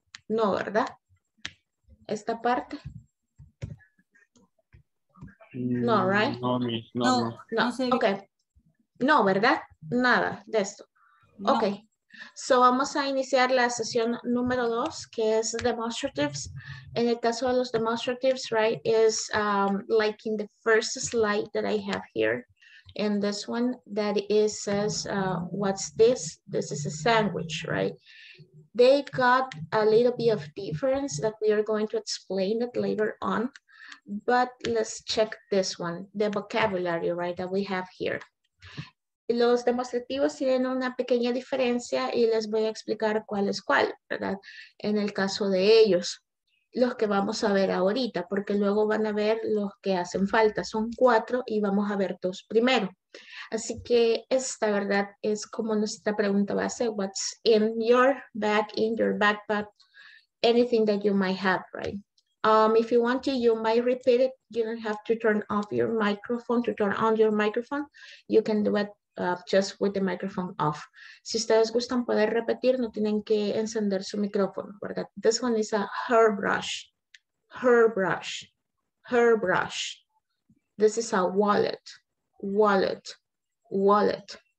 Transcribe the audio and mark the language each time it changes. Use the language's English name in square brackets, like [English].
[Spanish] No, ¿verdad? Esta parte. [English] No, ¿right? [Spanish] No. Ok. No, ¿verdad? Nada de esto. No. Ok. So, vamos a iniciar la sesión número 2, que es demonstratives. En el caso de los [English] demonstratives, right, is like in the first slide that I have here. In this one, that is says, what's this? This is a sandwich, right? They got a little bit of difference that we are going to explain it later on. But let's check this one, the vocabulary, right, that we have here. [Spanish] Los demostrativos tienen una pequeña diferencia y les voy a explicar cuál es cuál, ¿verdad? En el caso de ellos, los que vamos a ver ahorita, porque luego van a ver los que hacen falta. Son 4 y vamos a ver 2 primero. Así que esta, ¿verdad? Es como nuestra pregunta base. [English] What's in your bag, in your backpack? Anything that you might have, right? If you want to, you might repeat it. You don't have to turn off your microphone, to turn on your microphone. You can do it. Just with the microphone off. [Spanish] Si ustedes gustan poder repetir, no tienen que encender su micrófono, ¿verdad? [English] This one is a hairbrush. Hairbrush. Hairbrush. This is a wallet. Wallet. Wallet.